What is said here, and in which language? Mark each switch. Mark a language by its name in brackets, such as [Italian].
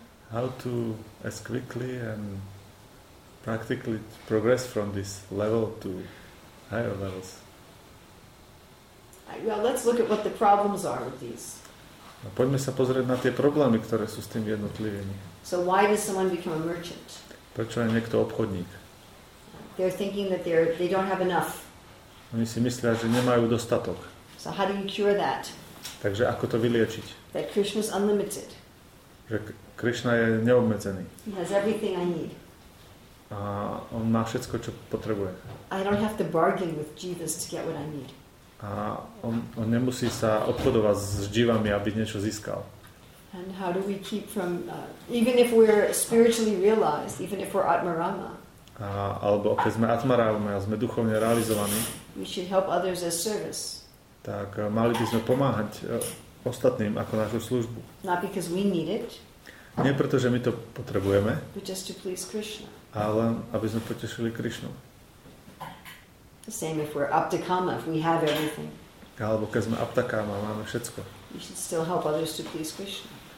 [English] How to as quickly and practically progress from this level to higher levels? Well, let's look at what the problems are with these. [Slovak] No, poďme sa pozrieť na tie problémy, ktoré sú s tým jednotlivými. [English] So why does someone become a merchant? [Slovak] Prečo je niekto obchodník? [English] They're thinking that they don't have enough. [Slovak] Oni si myslia, že nemajú dostatok. [English] So how do you cure that? [Slovak] Takže ako to vyliečiť? [English] That Krishna is unlimited. [Slovak] Že Krishna je neobmedzený. [English] He has everything I need. [Slovak] A on má všetko, čo potrebuje. [English] I don't have to bargain with Jivas to get what I need. [Slovak] A on nemusí sa obchodovať s Jivami, aby niečo získal. [English] And how do we keep from even if we're spiritually realized, even if we're Atmarama? [Slovak] Alebo keď sme Atmarama, a sme duchovne realizovaní. [English] We should help others as service. [Slovak] Tak mali by sme pomáhať ostatným ako našu službu. [English] Not because we need it. [Slovak] Nie preto, že my to potrebujeme. [English] But just to please Krishna. [Slovak] Ale aby sme potešili Krishnu. [English] The same if we're aptakama, if we have everything. [Slovak] Alebo keď sme aptakama, máme všetko. [English] We should still help others to please Krishna.